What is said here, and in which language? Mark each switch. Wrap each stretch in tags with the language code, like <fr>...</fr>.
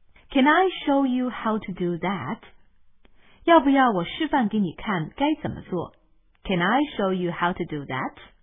<en>Can I show you how to do that?</en> <zh>要不要我示范给你看该怎么做？</zh> <en>Can I show you how to do that?</en>